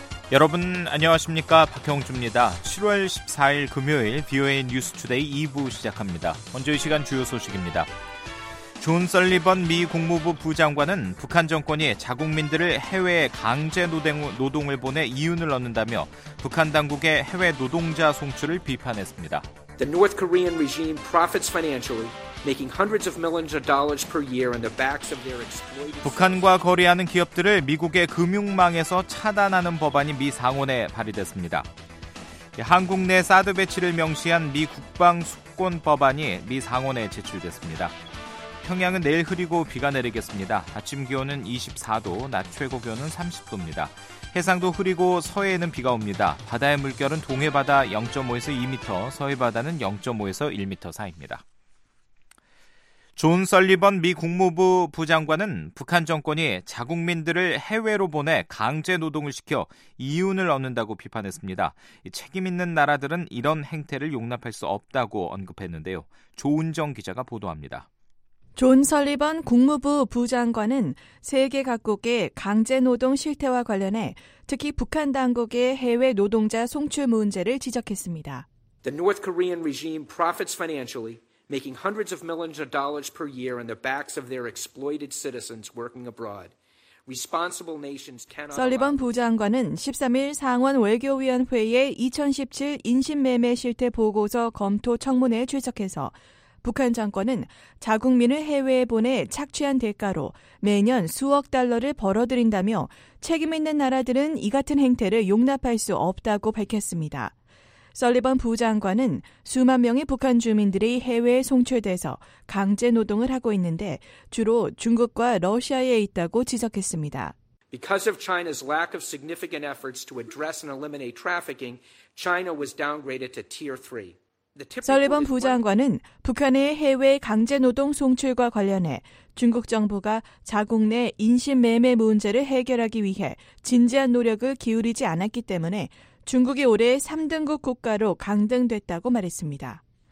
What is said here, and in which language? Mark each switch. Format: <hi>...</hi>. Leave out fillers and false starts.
<ko>여러분 안녕하십니까? 박형주입니다. 7월 14일 금요일 VOA News Today 2부 시작합니다. 먼저 이 시간 주요 소식입니다. 존 설리번 미 국무부 부장관은 북한 정권이 자국민들을 해외에 강제 노동을 보내 이윤을 얻는다며 북한 당국의 해외 노동자 송출을 비판했습니다.</ko> <en>The North Korean regime profits financially, making hundreds of millions of dollars per year on the backs of their exploited.</en> <ko>북한과 거래하는 기업들을 미국의 금융망에서 차단하는 법안이 미 상원에 발의됐습니다. 한국 내 사드 배치를 명시한 미 국방 숙권 법안이 미 상원에 제출됐습니다. 평양은 내일 흐리고 비가 내리겠습니다. 아침 기온은 24도, 낮 최고 기온은 30도입니다. 해상도 흐리고 서해에는 비가 옵니다. 바다의 물결은 동해바다 0.5에서 2m, 서해바다는 0.5에서 1m 사이입니다. 존 설리번 미 국무부 부장관은 북한 정권이 자국민들을 해외로 보내 강제 노동을 시켜 이윤을 얻는다고 비판했습니다. 책임 있는 나라들은 이런 행태를 용납할 수 없다고 언급했는데요. 조은정 기자가 보도합니다. 존 설리번 국무부 부장관은 세계 각국의 강제노동 실태와 관련해 특히 북한 당국의 해외 노동자 송출 문제를 지적했습니다.</ko> <en>The North Korean regime profits financially, making hundreds of millions of dollars per year on the backs of their exploited citizens working abroad. Responsible nations cannot.</en> <ko>설리번 부장관은 13일 상원 외교위원회의 2017 인신매매 실태 보고서 검토 청문회에 출석해서 북한 정권은 자국민을 해외에 보내 착취한 대가로 매년 수억 달러를 벌어들인다며 책임 있는 나라들은 이 같은 행태를 용납할 수 없다고 밝혔습니다. 설리번 부장관은 수만 명의 북한 주민들이 해외에 송출돼서 강제 노동을 하고 있는데 주로 중국과 러시아에 있다고 지적했습니다.</ko> <en>Because of China's lack of significant efforts to address and eliminate trafficking, China was downgraded to tier 3.</en> <ko>설리번 부장관은 북한의 해외 강제노동 송출과 관련해 중국 정부가 자국 내 인신매매 문제를 해결하기 위해 진지한 노력을 기울이지 않았기 때문에 중국이 올해 3등급 국가로 강등됐다고 말했습니다.</ko>